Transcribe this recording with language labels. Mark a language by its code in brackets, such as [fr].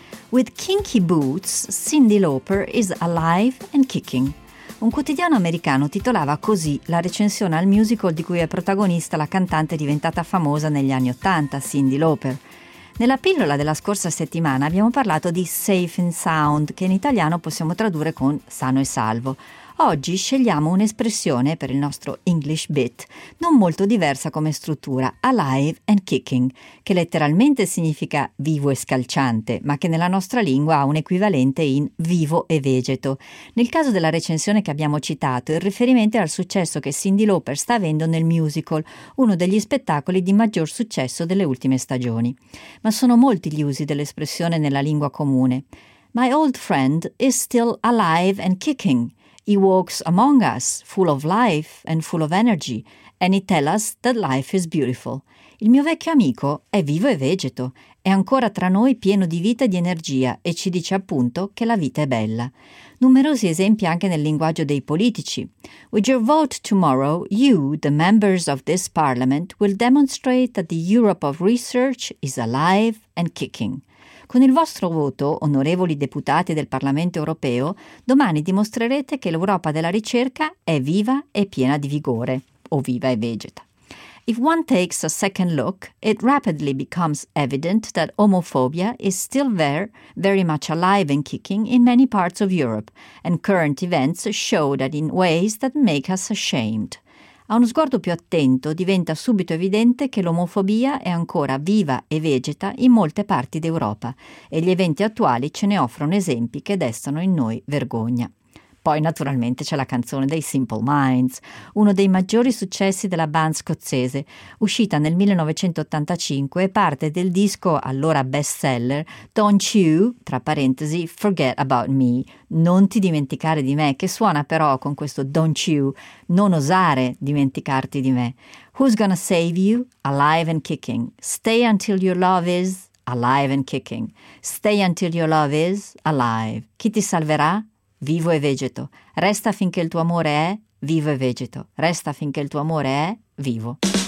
[en] With kinky boots, Cyndi Lauper is alive and kicking. [it] Un quotidiano americano titolava così la recensione al musical di cui è protagonista la cantante diventata famosa negli anni Ottanta, Cyndi Lauper. Nella pillola della scorsa settimana abbiamo parlato di Safe and Sound, che in italiano possiamo tradurre con sano e salvo. Oggi scegliamo un'espressione per il nostro English Bit, non molto diversa come struttura, alive and kicking, che letteralmente significa vivo e scalciante, ma che nella nostra lingua ha un equivalente in vivo e vegeto. Nel caso della recensione che abbiamo citato, il riferimento è al successo che Cyndi Lauper sta avendo nel musical, uno degli spettacoli di maggior successo delle ultime stagioni. Ma sono molti gli usi dell'espressione nella lingua comune. [en] My old friend is still alive and kicking. He walks among us, full of life and full of energy, and he tells us that life is beautiful. [it] Il mio vecchio amico è vivo e vegeto, è ancora tra noi pieno di vita e di energia e ci dice appunto che la vita è bella. Numerosi esempi anche nel linguaggio dei politici. [en] With your vote tomorrow, you, the members of this parliament, will demonstrate that the Europe of research is alive and kicking. [it] Con il vostro voto, onorevoli deputati del Parlamento europeo, domani dimostrerete che l'Europa della ricerca è viva e piena di vigore, o viva e vegeta. [en] If one takes a second look, it rapidly becomes evident that homophobia is still there, very much alive and kicking in many parts of Europe, and current events show that in ways that make us ashamed. [it] A uno sguardo più attento diventa subito evidente che l'omofobia è ancora viva e vegeta in molte parti d'Europa e gli eventi attuali ce ne offrono esempi che destano in noi vergogna. Poi naturalmente c'è la canzone dei Simple Minds, uno dei maggiori successi della band scozzese, uscita nel 1985 e parte del disco allora bestseller Don't You, tra parentesi, Forget About Me, non ti dimenticare di me, che suona però con questo Don't You, non osare dimenticarti di me. [en] Who's gonna save you? Alive and kicking. Stay until your love is alive and kicking. Stay until your love is alive. Chi ti salverà? Vivo e vegeto. [it] Resta finché il tuo amore è vivo e vegeto. Resta finché il tuo amore è vivo.